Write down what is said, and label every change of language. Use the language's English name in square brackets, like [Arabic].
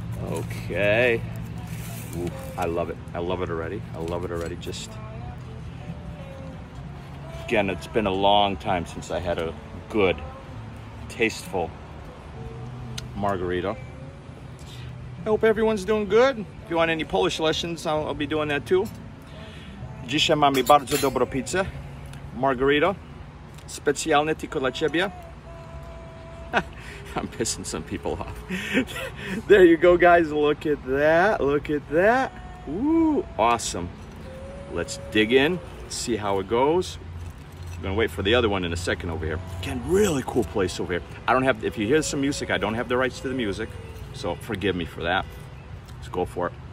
[English] Okay. Ooh, I love it. I love it already. Just, again, it's been a long time since I had a good, tasteful margarita. I hope everyone's doing good. If you want any Polish lessons, I'll be doing that too. [Polish] Dzisiaj mamy bardzo dobrą pizzę, margarita, specjalne tylko dla ciebie. [English] I'm pissing some people off. There you go, guys. Look at that. Ooh, awesome. Let's dig in, see how it goes. I'm gonna wait for the other one in a second over here. Again, really cool place over here. If you hear some music, I don't have the rights to the music, so forgive me for that. Let's go for it.